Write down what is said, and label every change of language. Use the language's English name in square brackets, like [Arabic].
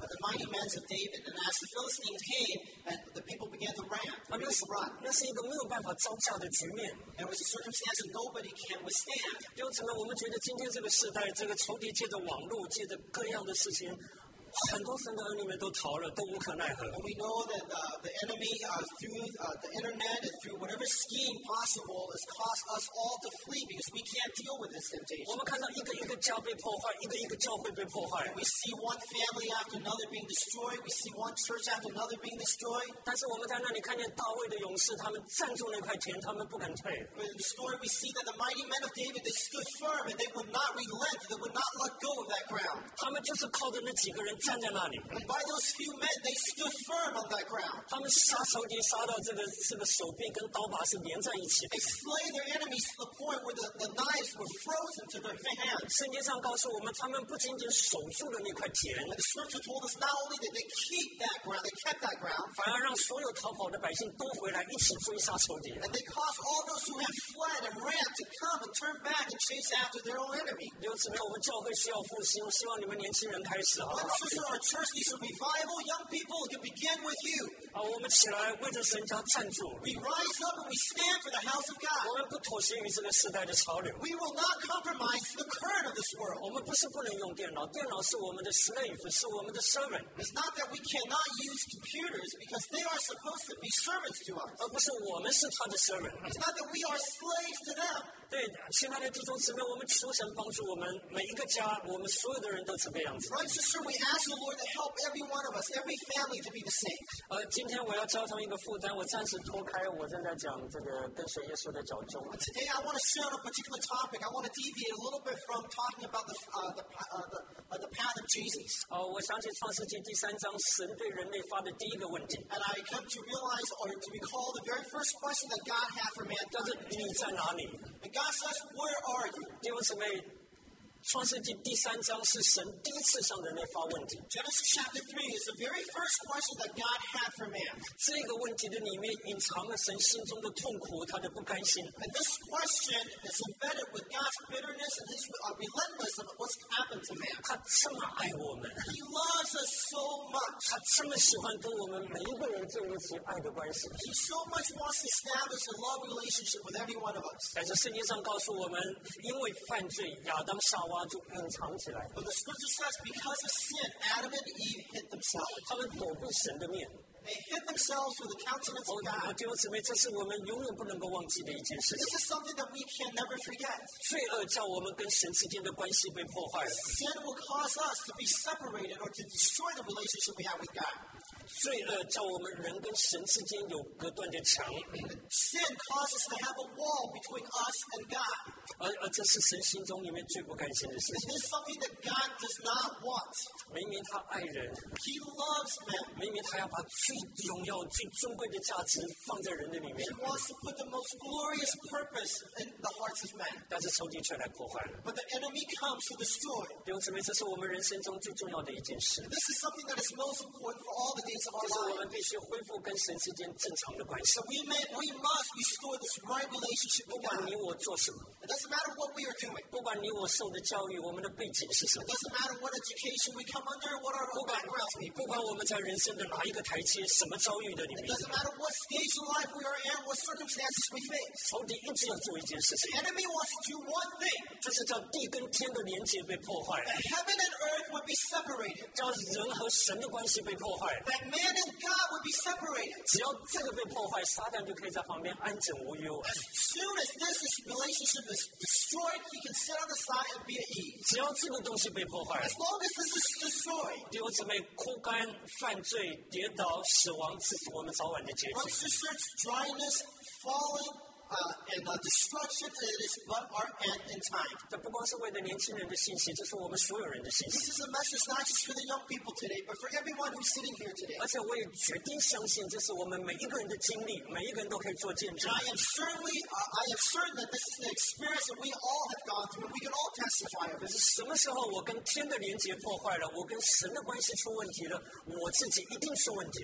[English] The mighty men of David, and as the Philistines came, and the people began to run. [Chinese] 那是一个没有办法招架的局面。 [English] It was a circumstance that nobody can withstand. [Chinese] 弟兄姊妹，我们觉得今天这个时代，这个仇敌借着网络，借着各样的事情。 [English] And we know that the enemy through the internet and through whatever scheme possible has caused us all to flee because we can't deal with this temptation. We see one family after another being destroyed. We see one church after another being destroyed. But in the story, we see that the mighty men of David, they stood firm and they would not relent. They would not let go of that ground. [Chinese] 站在那里。And [English] by those few men, they stood firm on that ground. [Chinese] 他们杀仇敌杀到这个手臂跟刀把是连在一起。 [English] They slay their enemies to the point where the knives were frozen to their hands. [Chinese] 圣经上告诉我们，他们不仅仅守住了那块田。 [English] The scripture told us not only that they keep that ground, they kept that ground. [Chinese] 反而让所有逃跑的百姓都回来一起追杀仇敌。 [English] And they caused all those who had fled and ran to come and turn back and chase after their own enemy. [Chinese] 因此呢，我们教会需要复兴，希望你们年轻人开始。 [English] So our church needs a revival. Young people, can begin with you. [Chinese] 我们起来为着神家站住。 [English] We rise up and we stand for the house of God. [Chinese] 我们不妥协于这个时代的潮流。 [English] We will not compromise the current of this world. [Chinese] 我们不是不能用电脑，电脑是我们的 slave， 是我们的 servant. [English] It's not that we cannot use computers because they are supposed to be servants to us. [Chinese] 而不是我们是他的 servant. [English] It's not that we are slaves to them. [Chinese] 对，亲爱的弟兄姊妹，我们求神帮助我们每一个家，我们所有的人都这个样子。 [English] Right, sister, we ask the Lord to help every one of us, every family to be the same. [Chinese] 今天我要交上一个负担，我暂时脱开，我正在讲这个跟随耶稣的脚踪。 [English] Today, I want to share on a particular topic. I want to deviate a little bit from talking about the path of Jesus. [Chinese] 我想起创世纪第三章神对人类发的第一个问题。 [English] And I come to realize or to recall the very first question that God had for man. [Chinese] 就是你在哪里？ [English] God says, "Where are you?" [Chinese] 弟兄姊妹，创世纪第三章是神第一次向人类发问题。 [English] Genesis chapter 3 is the very first question that God had for man. [Chinese] 这个问题的里面隐藏了神心中的痛苦，他的不甘心。 [English] And this question is embedded with God's bitterness and His relentlessness of what's happened to man. [Chinese] 他这么爱我们。 [English] He loves us so much. [Chinese] 他这么喜欢跟我们每一个人建立起爱的关系。 [English] He so much wants to establish a love relationship with every one of us. [Chinese] 但是圣经上告诉我们，因为犯罪，亚当夏娃就隐藏起来。 [English] But the scripture says, because of sin, Adam and Eve hid themselves. [Chinese] 他们躲避神的面。 [English] They hid themselves with the countenance of God. [Chinese] 弟兄姊妹，这是我们永远不能够忘记的一件事情。 [English] This is something that we can never forget. [Chinese] 罪恶叫我们跟神之间的关系被破坏了。 [English] Sin will cause us to be separated or to destroy the relationship we have with God. [Chinese] 罪恶叫我们人跟神之间有隔断的墙。 [English] Sin causes to have a wall between us and God. [Chinese] 而这是神心中里面最不甘心的事情。 [English] This is something that God does not want. [Chinese] 明明他爱人。 [English] He loves men. [Chinese] 明明他要把最荣耀、最尊贵的价值放在人的里面。 [English] He wants to put the most glorious purpose in the hearts of men. [Chinese] 但是仇敌却来破坏了。 [English] But the enemy comes to destroy. [Chinese] 弟兄姊妹，这是我们人生中最重要的一件事。 [English] This is something that is most important for all the days. [Chinese] 就是我们必须恢复跟神之间正常的关系。 [English] So we must restore this right relationship. [Chinese] 不管你我做什么。 [English] It doesn't matter what we are doing. [Chinese] 不管你我受的教育，我们的背景是什么。 [English] It doesn't matter what education we come under, what our backgrounds be. [Chinese] 不管我们在人生的哪一个台阶，什么遭遇的里面。 [English] It doesn't matter what stage of life we are in, what circumstances we face. [Chinese] 仇敌一直要做一件事情。 [English] The enemy wants to do one thing. [Chinese] 这是叫地跟天的连接被破坏。 [English] That heaven and earth would be separated. [Chinese] 叫人和神的关系被破坏。 [English] That man and God would be separated. [Chinese] 只要这个被破坏，撒旦就可以在旁边安枕无忧。 [English] As soon as this is relationship. Destroyed, he can sit on the side and be at ease. [Chinese] 只要这个东西被破坏。 [English] As long as this is destroyed. [Chinese] 弟兄姊妹，枯干、犯罪、跌倒、死亡，这是我们早晚的结局。 [English] Once there's dryness, falling, and destruction, it is but our end in time. [Chinese] 这不光是为了年轻人的信息，这是我们所有人的信息。 [English] This is a message not just for the young people today, but for everyone who's sitting here today. [Chinese] 而且我也决定相信，这是我们每一个人的经历，每一个人都可以做见证。 [English] And I am certain that this is the experience that we all have gone through, and we can all testify of. [Chinese] 可是什么时候我跟天的连接破坏了，我跟神的关系出问题了，我自己一定出问题。